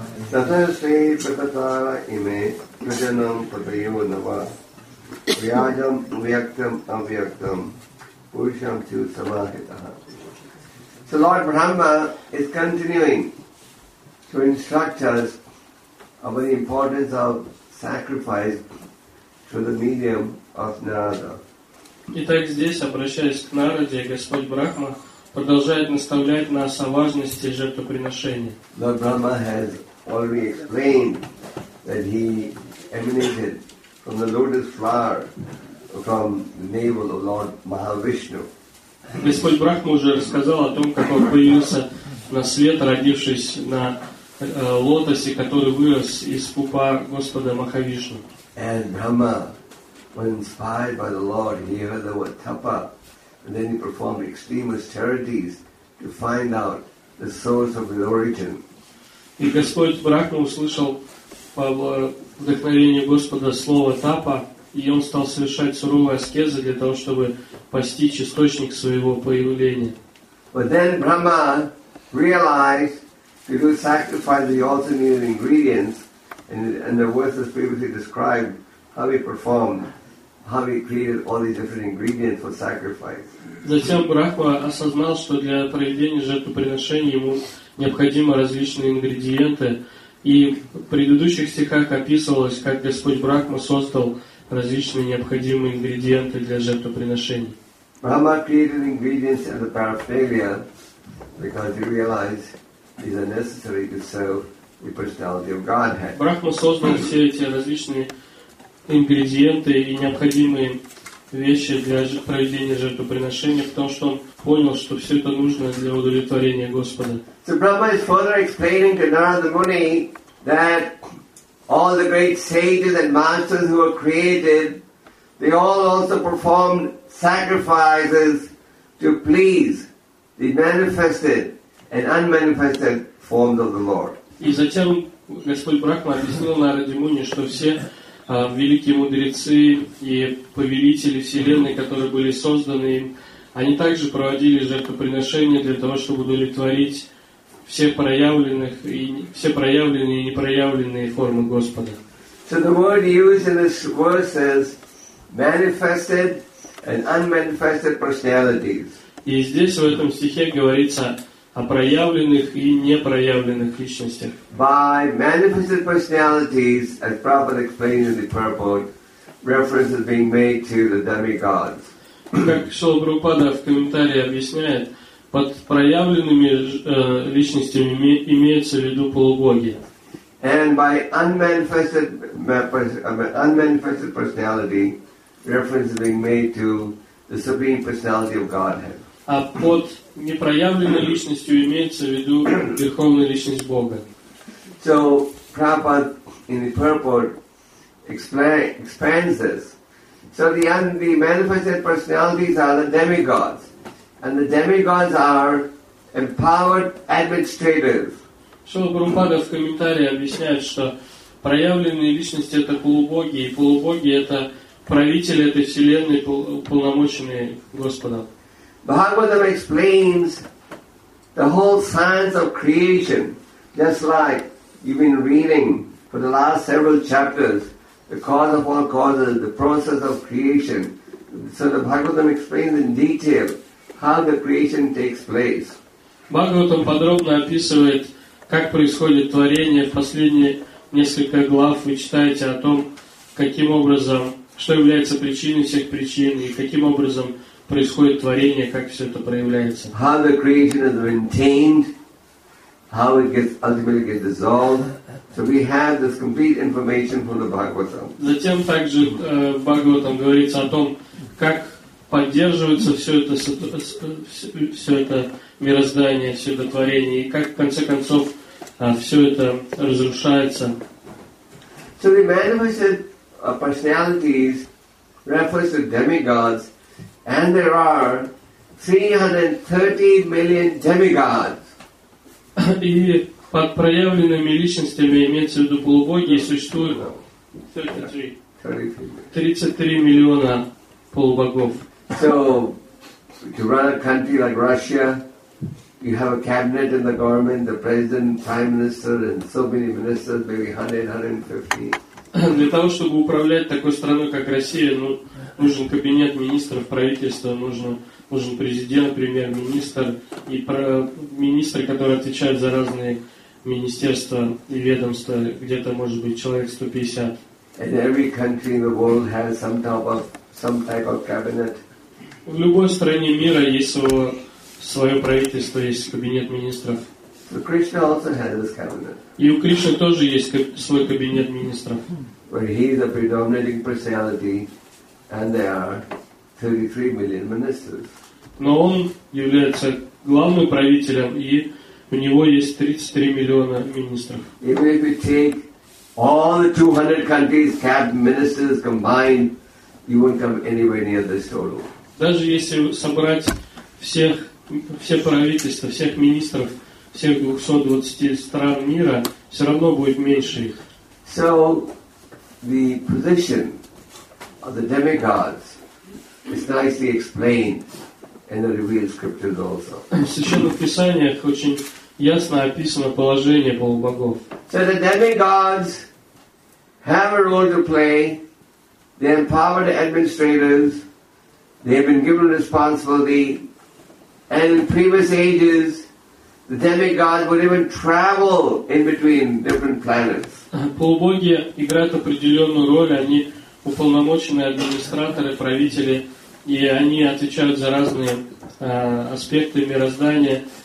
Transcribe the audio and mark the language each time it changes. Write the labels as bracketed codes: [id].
[sa] Татая Шри Прапатара Име Кюджанам Патриева Нава Вьяджам Вьяктам Авьяктам Пуршам Чу Самахитаха. [en] So Lord Brahma is continuing to instruct us about the importance of sacrifice through the medium of Narada. [ru] Итак, здесь, обращаясь к Нараде, Господь Брахма продолжает наставлять нас о важности жертвоприношения. [en] Lord Brahma has already explained that he emanated from the lotus flower from the navel of Lord Mahavishnu. [ru] Господь Брахма уже рассказал о том, как он появился на свет, родившись на лотосе, который вырос из пупа Господа Махавишну. [en] And Brahma was inspired by the Lord. He heard the word tapa. And then he performed extreme austerities to find out the source of his origin. [ru] И Господь Брахма услышал по вдохновению Господа слово тапа, и он стал совершать суровые аскезы для того, чтобы постичь источник своего появления. [en] But then Brahma realized to do sacrifice he also needed ingredients, and the verses previously described how he performed, how he created all these different ingredients for sacrifice. [ru] Затем Брахма осознал, что для проведения жертвоприношения ему необходимы различные ингредиенты. И в предыдущих стихах описывалось, как Господь Брахма создал различные необходимые ингредиенты для жертвоприношений. [en] Brahma created ingredients as a paraphernalia because he realized these are necessary to serve the personality of Godhead. [ru] Брахма создал все эти различные ингредиенты и необходимые вещи для проведения жертвоприношения, потому что он понял, что все это нужно для удовлетворения Господа. [en] So Brahma is further explaining to Narada Muni that all the great sages and masters who were created, they all also performed sacrifices to please the manifested and unmanifested forms of the Lord. [ru] И затем Господь Брахма объяснил Нараде Муни, что все великие мудрецы и повелители Вселенной, которые были созданы им, они также проводили жертвоприношения для того, чтобы удовлетворить все проявленных и все проявленные и непроявленные формы Господа. [en] So the word used in this verse is manifested and unmanifested personalities. [ru] И здесь в этом стихе говорится о проявленных и непроявленных личностях. [en] By manifested personalities, as Prabhupada explained in the purport, reference is being made to the demigods. [ru] Как Шрила Прабхупада в комментарии объясняет, под проявленными личностями имеется в виду полубоги. [en] And by unmanifested personality, reference is being made to the Supreme Personality of Godhead. [ru] А под непроявленной личностью имеется в виду верховная личность Бога. [en] So Prabhupada in the purport expands this. So the manifested personalities are the demigods, and the demigods are empowered administrators. [ru] Шрила Прабхупада в комментарии объясняет, что проявленные личности — это полубоги, и полубоги — это правители этой вселенной, уполномоченные Господом. [en] Bhagavatam explains the whole science of creation, just like you've been reading for the last several chapters, the cause of all causes, the process of creation. So the Bhagavatam explains in detail how the creation takes place. [ru] Bhagavatam подробно описывает, как происходит творение. В последние несколько глав вы читаете о том, каким образом, что является причиной всех причин и каким образом происходит творение, как все это проявляется. [en] How the creation is maintained, how it gets ultimately gets dissolved. So we have this complete information from the Bhagavatam. [ru] Затем также в Бхагаватам говорится о том, как поддерживается все это мироздание, все это творение, и как в конце концов все это разрушается. [en] So the manifested personalities refers to demigods, and there are 330 million demigods. [ru] И под проявленными личностями имеется в виду полубоги, и существует 33 миллиона полубогов. [en] So, to run a country like Russia, you have a cabinet in the government, the president, prime minister, and so many ministers, maybe 100-150. [ru] Для того, чтобы управлять такой страной, как Россия, ну, нужен кабинет министров, правительство, нужен президент, премьер-министр, и министр, который отвечает за разные министерства и ведомства, где-то, может быть, человек 150. [en] And every country in the world has some type of cabinet. [ru] В любой стране мира есть свое правительство, есть кабинет министров. [en] So Krishna also has his cabinet. [ru] И у Кришны тоже есть свой кабинет министров. [en] But he is a predominating personality, and there are 33 million ministers. [ru] Но он является главным правителем, и у него есть 33 миллиона министров. [en] Even if we take all the 200 countries' cabinet ministers combined, you won't come anywhere near this total. [ru] Даже если собрать все правительства, всех министров всех 220 стран мира, все равно будет меньше их. [en] So the position of the demigods is nicely explained in the revealed scriptures also. [ru] В священных писаниях очень ясно описано положение полубогов. [en] So the demigods have a role to play. They empower the administrators. They have been given responsibility. And in previous ages, the demigods would even travel in between different planets. [ru] Полубоги играют определенную роль. Они уполномоченные администраторы, правители, и они отвечают за разные аспекты мироздания.